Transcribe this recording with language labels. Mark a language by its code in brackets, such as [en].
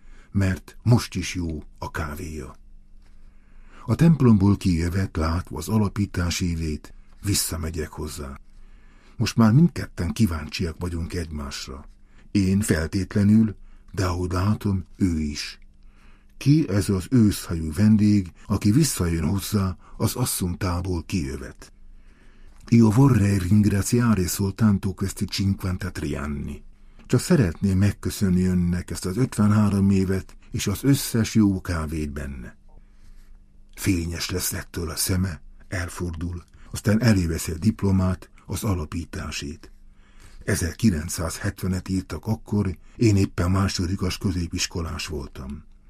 [hu] Mert most is jó a kávéja. A templomból kijövet, látva az alapítás évét, visszamegyek hozzá. Most már mindketten kíváncsiak vagyunk egymásra. Én feltétlenül, de ahogy látom, ő is. Ki ez az őszhajú vendég, aki visszajön hozzá az asszuntából kijövet? [it] Io vorrei ringraziare soltanto questi 53 anni. [hu] Csak szeretném megköszönni önnek ezt az 53 évet és az összes jó kávét benne. Fényes lesz ettől a szeme, elfordul, aztán elővesz egy diplomát, az alapításét. 1970-et írtak akkor, én éppen másodikas középiskolás voltam.